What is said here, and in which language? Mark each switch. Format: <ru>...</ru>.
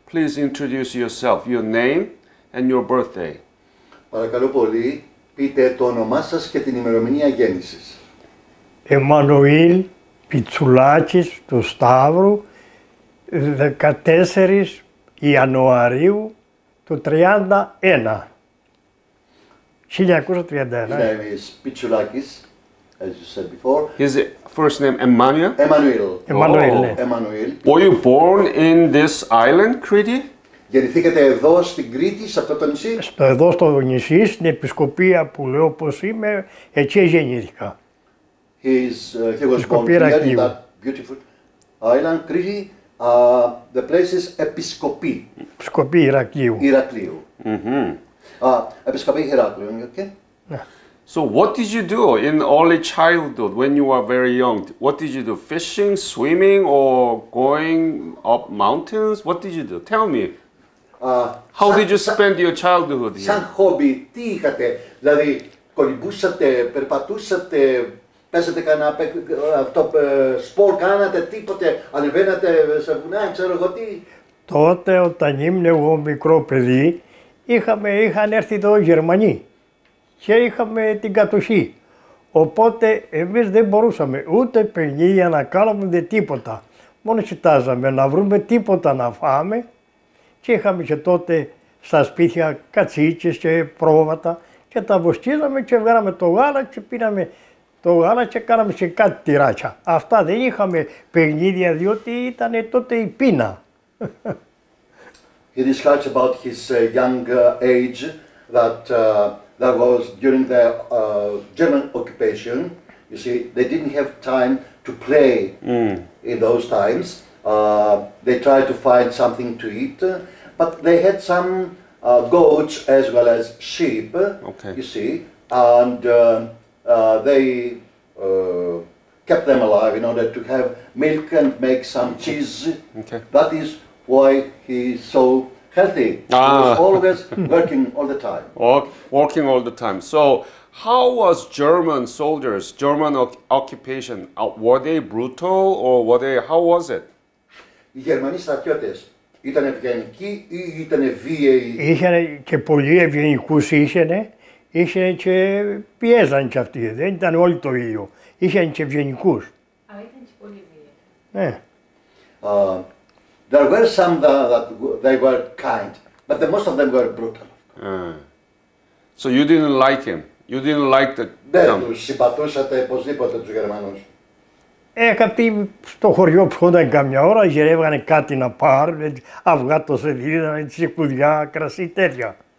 <en>Please introduce yourself, your name and your birthday.</en> <el>Παρακαλώ πολύ, πείτε το όνομά σας και την ημερομηνία γέννησης. Εμμανουήλ Πιτσουλάκης του Σταύρου, 14 Ιανουαρίου του 31. 1931.</el> <en>His name is Pitsoulakis, as you said before. His first name Emmanuel? Emmanuel. Emmanuel. Oh. Emmanuel. Were you born in this island, Crete?</en> <el>Γεννηθήκατε εδώ στην Κρήτη, σε αυτό το νησί? Στο εδώ στο νησί, στην επισκοπία που λέω πως είμαι, εκεί γεννήθηκα.</el> <en>He was born here in that beautiful island, Crete. The place is Episcopi.</en> <el>Episcopi Ηρακλείου. Ηρακλείου. Mm-hmm. Episcopi Ηρακλείου, okay?</el> <en>So what did you do in early childhood when you were very young? What did you do? Fishing, swimming, or going up mountains? What did you do? Tell me. How did you spend your childhood here?</en> <el>Σαν χόμπι, τι είχατε? Δηλαδή, κολυμπούσατε, περπατούσατε, παίζατε κανένα αυτό, σπορ κάνατε, τίποτε, ανεβαίνατε σε βουνά, ξέρω εγώ τι. Τότε, όταν ήμουν εγώ μικρό παιδί, είχαν έρθει εδώ Γερμανοί και είχαμε την κατοχή. Οπότε, εμείς δεν μπορούσαμε ούτε παιχνίδια να κάνουμε ούτε τίποτα. Μόνο κοιτάζαμε να βρούμε τίποτα να φάμε και είχαμε και τότε στα σπίτια κατσίκες και πρόβατα και τα βοστίζαμε και βγάλαμε το γάλα και πίναμε το γάλα και κάναμε σε κάτι τυράκια. Αυτά δεν είχαμε παιχνίδια διότι ήταν τότε η πείνα.</el> <en>He describes about his young age that that was during the German occupation. You see, they didn't have time to play in those times. They tried to find something to eat, but they had some goats as well as sheep, okay. You see, and they kept them alive in order to have milk and make some cheese. Okay. That is why he so healthy. Ah. He was always working all the time. Working all the time. So, how was German soldiers, German occupation? Were they brutal or were they? How was it?</en> <el>Οι Γερμανοί στρατιώτες ήταν ευγενικοί ή ήταν βίαιοι? Είχαν και πολλοί ευγενικούς είχαν. Είχαν και πιέζαν και αυτοί. Δεν ήταν όλοι το ίδιο. Είχαν και ευγενικούς. Αλλά ήταν και πολύ βίαιοι. Ναι.</el> <en>There were some that they were kind, but the most of them were brutal. So you didn't like him? You didn't like the...</en> <el>Δεν τους συμπαθούσατε οπωσδήποτε τους Γερμανούς. Κάποιοι στο χωριό ψώνταν καμιά ώρα, γυρεύγανε κάτι να πάρουν, αυγά το σεδίδανε, τσικουδιά, κρασί, τέτοια.</el>